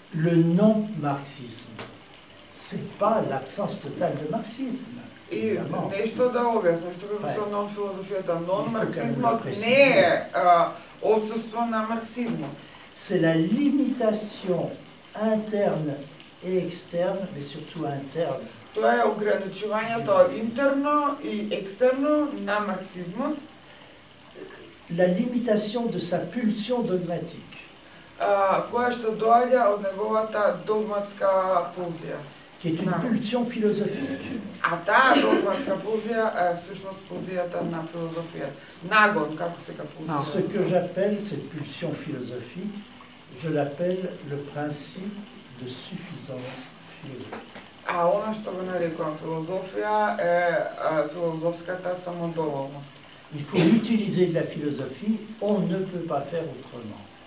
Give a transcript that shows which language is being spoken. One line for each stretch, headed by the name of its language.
French: Le non-marxisme, ce n'est pas l'absence totale de marxisme. Et non-marxisme, c'est la limitation interne et externe, mais surtout interne.
Macedonian: Тоа е ограничувањето интерно и екстерно на марксизмот.
French: La limitation de sa pulsion dogmatique.
Macedonian: Кое што доаѓа од неговата догматска пулзија.
French: Qui est une pulsion philosophique.
Macedonian: А таа догматска пулзија е всушност пулзијата на филозофијата. Нагон, како се кажува.
French: Ce que j'appelle cette pulsion philosophique, je l'appelle le principe de suffisance philosophique.
Macedonian: А она што го нарекувам филозофија е филозофската самодоволност.
French: Il faut utiliser de la philosophie, on ne peut pas faire autrement.